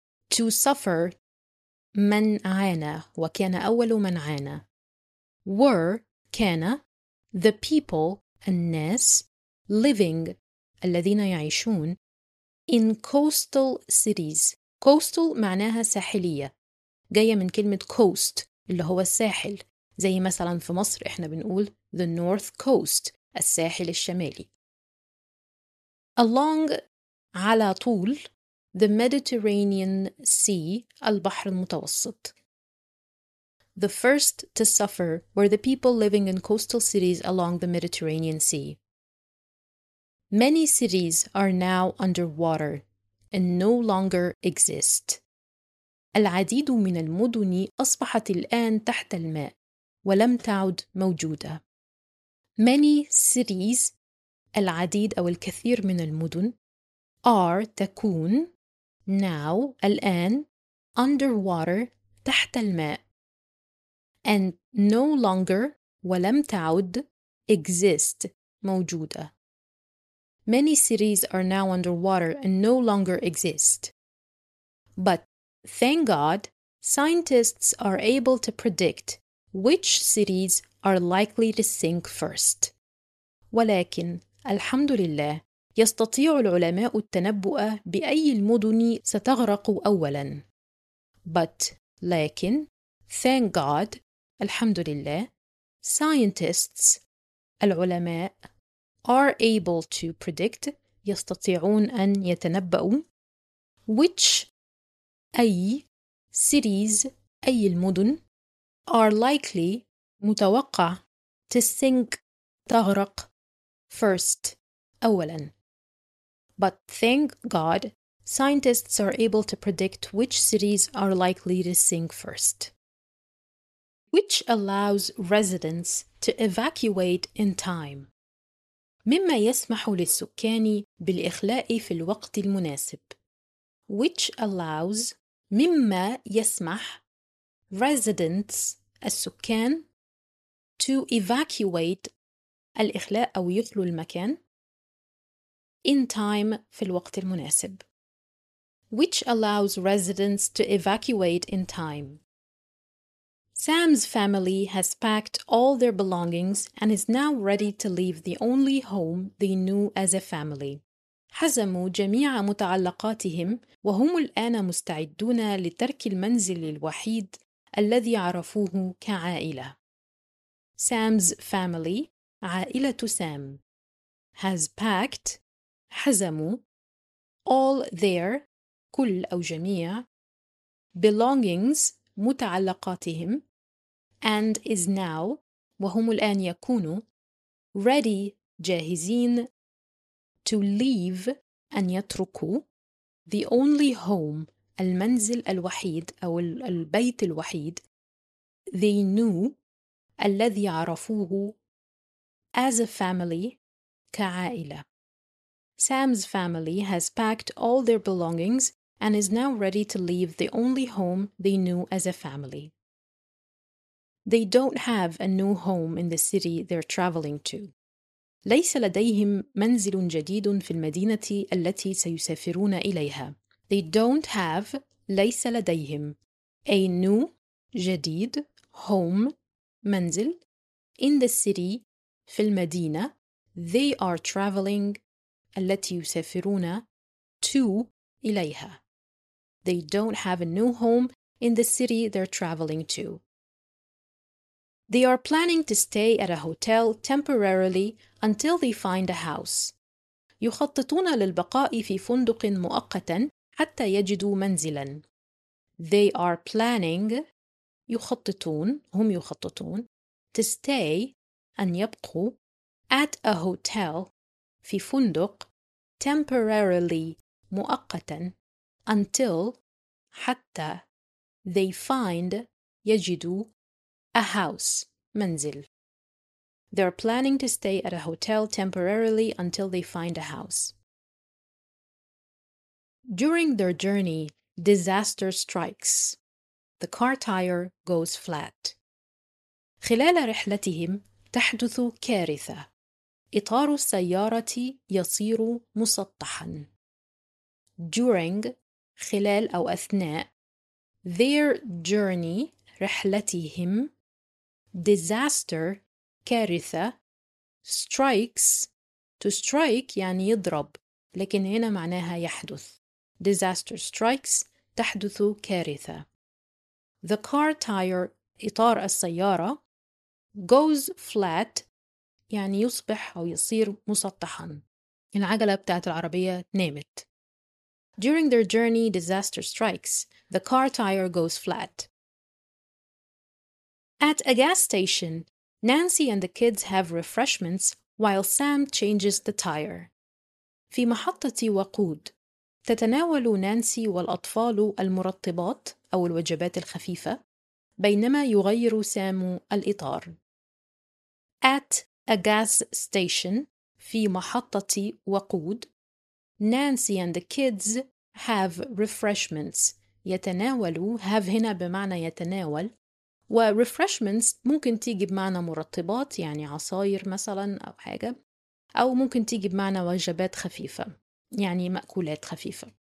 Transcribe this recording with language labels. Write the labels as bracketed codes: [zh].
[en] To suffer, [ar] من عانى وكان أول من عانى. [en] Were, [ar] كان, [en] the people, [ar] الناس, [en] living, [ar] الذين يعيشون, [en] in coastal cities. Coastal [ar] معناها ساحلية. جاية من كلمة [en] coast [ar] اللي هو الساحل زي مثلا في مصر احنا بنقول [en] the north coast [ar] الساحل الشمالي [en] along [ar] على طول [en] the Mediterranean Sea [ar] البحر المتوسط [en] the first to suffer were the people living in coastal cities along the Mediterranean Sea many cities are now underwater and no longer exist [ar] العديد من المدن أصبحت الآن تحت الماء ولم تعد موجودة. [en] Many cities, [ar] العديد أو الكثير من المدن, [en] are, [ar] تكون, [en] now, [ar] الآن, [en] underwater, [ar] تحت الماء. [en] And no longer, [ar] ولم تعد, [en] exist, [ar] موجودة. [en] Many cities are now underwater and no longer exist. But Thank God, scientists are able to predict which cities are likely to sink first. [ar] ولكن الحمد لله يستطيع العلماء التنبؤ بأي المدن ستغرق أولا. [en] But [ar] لكن [en] thank God, [ar] الحمد لله, [en] scientists, [ar] العلماء, [en] are able to predict, [ar] يستطيعون أن يتنبؤوا, [en] which [ar] أي [en] cities [ar] أي المدن [en] are likely [ar] متوقع [en] to sink [ar] تغرق [en] First, [ar] أولا. [en] But thank God, scientists are able to predict which cities are likely to sink first. Which allows residents to evacuate in time. [ar] مما يسمح للسكان بالإخلاء في الوقت المناسب. [en] Which allows, [ar] مما يسمح, [en] residents, [ar] السكان, [en] to evacuate, [ar] الإخلاء أو يخلو المكان, [en] in time, [ar] في الوقت المناسب. [en] Which allows residents to evacuate in time. Sam's family has packed all their belongings and is now ready to leave the only home they knew as a family. [ar] حزموا جميع متعلقاتهم وهم الآن مستعدون لترك المنزل الوحيد الذي عرفوه كعائلة. [en] Sam's family, [ar] عائلة سام, [en] has packed, [ar] حزموا, [en] all their, [ar] كل أو جميع, [en] belongings, [ar] متعلقاتهم, [en] and is now, [ar] وهم الآن يكونوا, [en] ready, [ar] جاهزين, [en] to leave, [ar] أن يتركوا, [en] the only home, [ar] المنزل الوحيد أو البيت الوحيد, [en] they knew, [ar] الذي عرفوه, [en] as a family, [ar] كعائلة. [en] Sam's family has packed all their belongings and is now ready to leave the only home they knew as a family. They don't have a new home in the city they're traveling to. [ar] ليس لديهم منزل جديد في المدينة التي سيسافرون إليها. [en] They don't have, [ar] ليس لديهم, [en] a new, [ar] جديد, [en] home, [ar] منزل, [en] in the city, [ar] في المدينة, [en] they are traveling, [ar] التي يسافرون, [en] to, [ar] إليها. [en] They don't have a new home in the city they're traveling to. They are planning to stay at a hotel temporarily until they find a house. [ar] يخططون للبقاء في فندق مؤقتا حتى يجدوا منزلا. [en] They are planning, [ar] يخططون, هم يخططون, [en] to stay, [ar] أن يبقوا, [en] at a hotel, [ar] في فندق, [en] temporarily, [ar] مؤقتا, [en] until, [ar] حتى, [en] they find, [ar] يجدوا, [en] a house, [ar] منزل. [en] They're planning to stay at a hotel temporarily until they find a house. During their journey, disaster strikes. The car tire goes flat. [ar] خلال رحلتهم تحدث كارثة. إطار السيارة يصير مسطحا. [en] During, [ar] خلال أو أثناء, [en] their journey, [ar] رحلتهم, [en] disaster, [ar] كارثة, [en] strikes, to strike [ar] يعني يضرب, لكن هنا معناها يحدث. [en] Disaster strikes, [ar] تحدث كارثة. [en] The car tire, [ar] إطار السيارة, [en] goes flat, [ar] يعني يصبح أو يصير مسطحا. العجلة بتاعت العربية نامت. [en] During their journey, disaster strikes. The car tire goes flat. At a gas station, Nancy and the kids have refreshments while Sam changes the tire. [ar] في محطة وقود تتناول نانسي والأطفال المرطبات أو الوجبات الخفيفة بينما يغير سام الإطار. [en] At a gas station, [ar] في محطة وقود, [en] Nancy and the kids have refreshments. [ar] يتناول, [en] have [ar] هنا بمعنى يتناول, و [en] refreshments [ar] ممكن تيجي بمعنى مرطبات يعني عصاير مثلا أو حاجة, أو ممكن تيجي بمعنى وجبات خفيفة يعني مأكولات خفيفة.